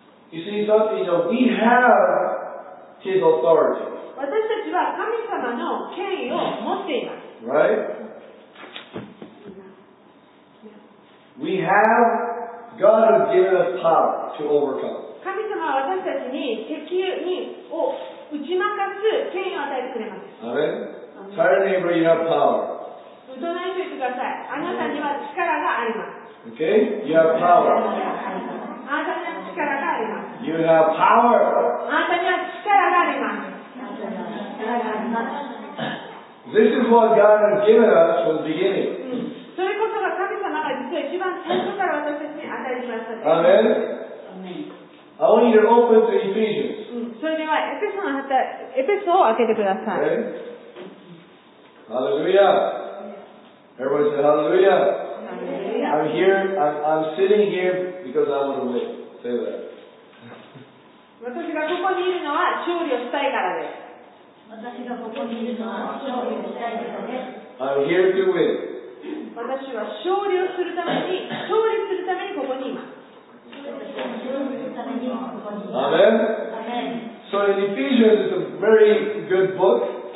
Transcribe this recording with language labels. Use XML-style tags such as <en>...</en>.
<en>You see something, you know, we have his authority.</en> <ja>私たちは神様の権威を持っています。</ja> <en>Right? We have God has given us power to overcome.</en> <ja>神様は私たちに敵にを打ち負かす権威を与えてくれます。</ja> <en>アメン。Tell your neighbor you have power.</en> <ja>隣の人に言ってください。あなたには力があります。</ja> <en>Okay? You have power.</en> <ja>あなたには力があります。</ja> <en>You have power.</en> <ja>あなたには力があります。</ja> <en>This is what God has given us from the beginning.</en> <ja>それこそが神様が実は一番最初から私たちに与えてくださった。</ja> <en>アメン。I want you to open to Ephesians.</en> <ja>それではエペソを開けてください。</ja> <en>Okay. Hallelujah. Everybody say Hallelujah. Hallelujah. I'm here. I'm sitting here because I want to win. Say that.</en> <ja>私がここにいるのは勝利をしたいからです。私がここにいるのは勝利をしたいからです。</ja> <en>I'm here to win.</en> <ja>私は勝利をするために、勝利するためにここにいます。</ja> <en>Amen. Amen. So in Ephesians, it's a very good book.</en>